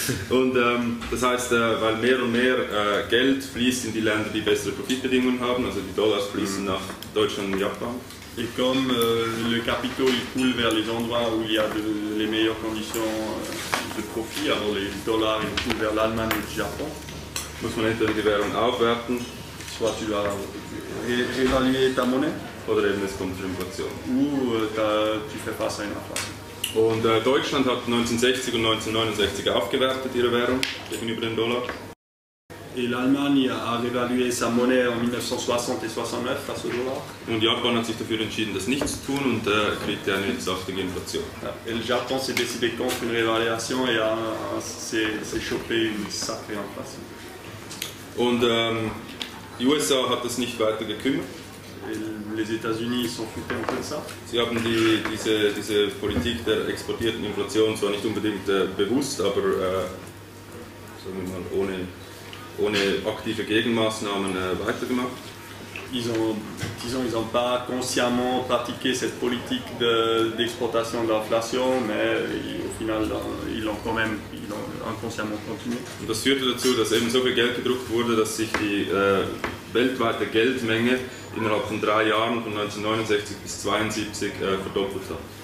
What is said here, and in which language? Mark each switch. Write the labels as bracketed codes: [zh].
[de] Und das heißt, weil mehr und mehr Geld fließt in die Länder, die bessere Profitbedingungen haben, also die Dollars fließen nach Deutschland und Japan. [fr] Et comme le capital coule vers les endroits où il y a les meilleures conditions de profit, alors les Dollars coulent vers l'Allemagne et le Japon. [de] Muss man entweder die Währung aufwerten, [fr] soit tu vas réévaluer ta monnaie, [de] oder eben es kommt zur Inflation. [fr] Ou tu fais face à une inflation. [de] Und Deutschland hat 1960 und 1969 aufgewertet ihre Währung gegenüber dem Dollar. [fr] Et l'Allemagne a réévalué sa monnaie en 1960 et 69 face au Dollar. [de] Und Japan hat sich dafür entschieden, das nicht zu tun und kriegt eine saftige Inflation. [fr] Et le Japon s'est décidé contre une réévaluation et s'est chopé une sacrée inflation. [de] Und die USA hat das nicht weiter gekümmert. [fr] Les États-Unis sont foutus un peu de ça. [de] Sie haben diese Politik der exportierten Inflation zwar nicht unbedingt bewusst, aber sagen wir mal, ohne aktive Gegenmaßnahmen weitergemacht. [fr] Ils ont pas consciemment pratiqué cette politique d'exportation de l'inflation, mais au final ils l'ont inconsciemment continué. [de] Und das führte dazu, dass eben so viel Geld gedruckt wurde, dass sich die weltweite Geldmenge innerhalb von drei Jahren von 1969 bis 1972 verdoppelt hat.